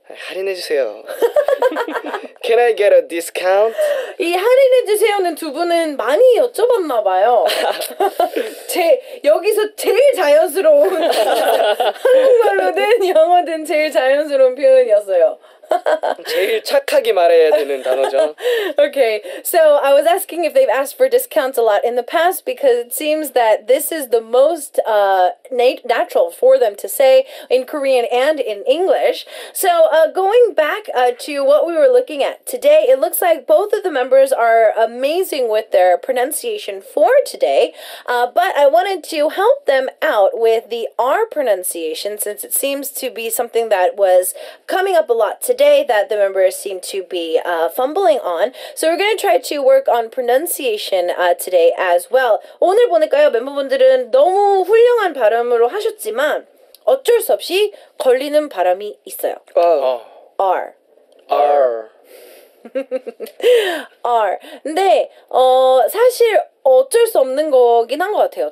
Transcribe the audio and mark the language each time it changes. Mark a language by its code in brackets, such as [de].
[ko] 할인해주세요. [en] Can I get a discount? [ko] 이 할인해주세요는 두 분은 많이 여쭤봤나 봐요. 여기서 제일 자연스러운 한국말로든 영어든 제일 자연스러운 표현이었어요. 제일 착하게 말해야 되는 단어죠. [en] Okay, so I was asking if they've asked for discounts a lot in the past because it seems that this is the most natural for them to say in Korean and in English. So going back to what we were looking at today, it looks like both of the members are amazing with their pronunciation for today, but I wanted to help them out with the R pronunciation since it seems to be something that was coming up a lot today that the members seem to be fumbling on. So we're going to try to work on pronunciation today as well. [ko] 오늘 보니까요, 멤버분들은 너무 훌륭한 발음으로 하셨지만 어쩔 수 없이 걸리는 발음이 있어요. [en] R. R. R. [ko] 근데 사실 어쩔 수 없는 거긴 한 것 같아요.